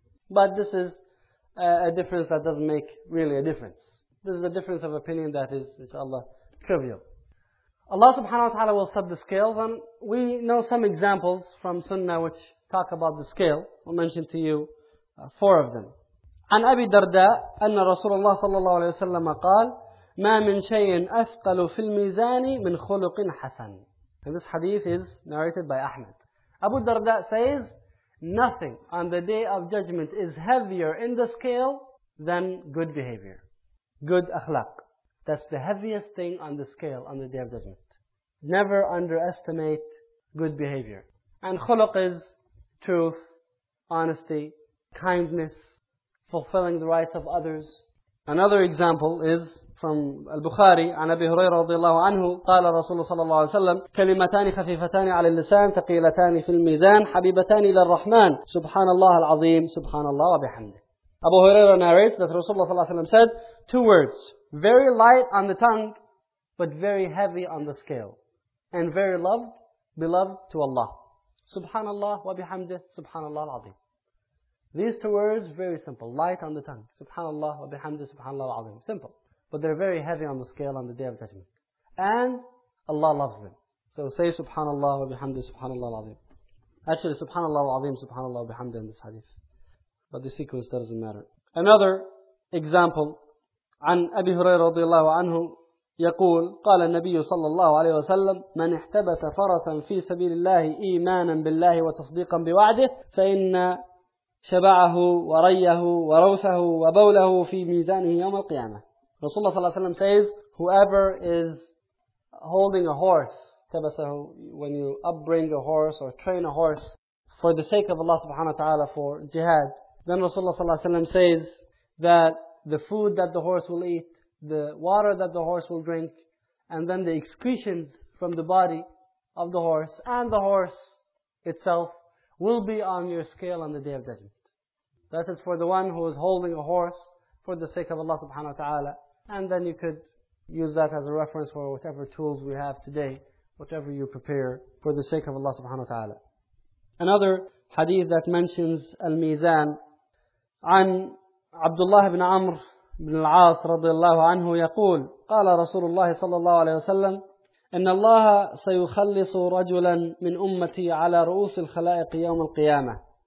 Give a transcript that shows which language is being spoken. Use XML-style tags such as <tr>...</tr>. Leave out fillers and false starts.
<en>But this is a difference that doesn't make really a difference. This is a difference of opinion that is, inshallah, trivial. Allah subhanahu wa ta'ala will set the scales, and we know some examples from Sunnah which talk about the scale. I'll mention to you four of them.</en> <ar>عن أبي درداء أن رسول الله صلى الله عليه وسلم قال ما من شيء أثقل في الميزان من خلق حسن.</ar> <en>And this hadith is narrated by Ahmed. Abu Darda says, Nothing on the day of judgment is heavier in the scale than good behavior. Good akhlaq. That's the heaviest thing on the scale on the day of judgment. Never underestimate good behavior. And khuluq is truth, honesty, kindness, fulfilling the rights of others. Another example is from</en> <ar>البخاري عن أبي هريرة رضي الله عنه قال رسول صلى الله عليه وسلم كلمتان خفيفتان على اللسان ثقيلتان في الميزان حبيبتان إلى الرحمن سبحان الله العظيم سبحان الله وبحمده.</ar> <en>أبو هريرة narrates that Rasulullah صلى الله عليه وسلم said two words, very light on the tongue but very heavy on the scale, and very loved, beloved to Allah,</en> <ar>سبحان الله وبحمده سبحان الله العظيم.</ar> <en>These two words, very simple, light on the tongue,</en> <ar>سبحان الله وبحمده سبحان الله العظيم,</ar> <en>simple. But they're very heavy on the scale on the day of judgment. And Allah loves them. So say</en> <ar>subhanallah wa bihamdi subhanallah al-azim.</ar> <en>Actually</en> <ar>subhanallah al-azim subhanallah wa bihamdi</ar> <en>in this hadith. But the sequence doesn't matter. Another example.</en> <ar>عن أبي هريرة رضي الله عنه يقول قال النبي صلى الله عليه وسلم من احتبس فرسا في سبيل الله إيمانا بالله وتصديقا بوعده فإن شبعه وريه وروثه وبوله في ميزانه يوم القيامة.</ar> <en>Rasulullah sallallahu alayhi wa sallam says, whoever is holding a horse, tabasahu, when you upbring a horse or train a horse for the sake of Allah subhanahu wa ta'ala for jihad, then Rasulullah sallallahu alayhi wa sallam says that the food that the horse will eat, the water that the horse will drink, and then the excretions from the body of the horse and the horse itself will be on your scale on the day of judgment. That is for the one who is holding a horse for the sake of Allah subhanahu wa ta'ala. And then you could use that as a reference for whatever tools we have today, whatever you prepare for the sake of Allah subhanahu wa ta'ala. Another hadith that mentions al-mizan,</en> <ar>عن عبد الله بن عمر بن العاص رضي الله عنه يقول قال رسول الله صلى الله عليه وسلم إن الله سيخلص رجلا من أمتي على رؤوس الخلائق يوم القيامة</ar>